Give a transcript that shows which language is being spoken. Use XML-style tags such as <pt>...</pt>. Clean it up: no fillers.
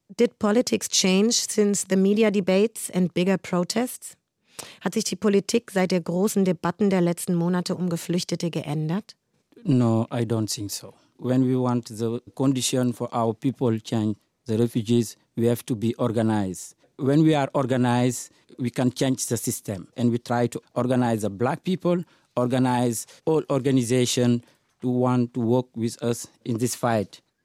<en>Did politics change since the media debates and bigger protests?</en> <de>Hat sich die Politik seit der großen Debatten der letzten Monate um Geflüchtete geändert?</de> <en>No, I don't think so. When we want the condition for our people change, the refugees, we have to be organized. When we are organized, we can change the system. And we try to organize the black people, organize all organizations to want to work with us in this fight.</en>